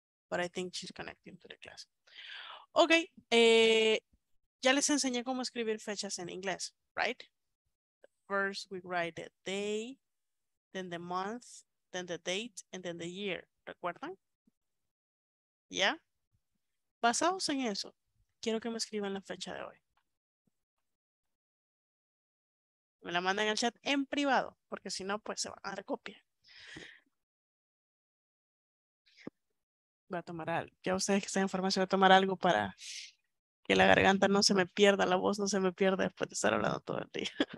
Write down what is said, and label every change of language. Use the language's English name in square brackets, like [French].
[English] But I think she's connecting to the class. Okay. [Spanish] Ya les enseñé cómo escribir fechas en inglés. [English] Right? First, we write the day, then the month, then the date, and then the year. [Spanish] ¿Recuerdan? ¿Ya? Basados en eso, quiero que me escriban la fecha de hoy. Me la mandan al chat en privado, porque si no, pues se van a dar copia. voy a tomar algo. Ya ustedes que están en farmacia, voy a tomar algo para que la garganta no se me pierda, la voz no se me pierda después de estar hablando todo el día.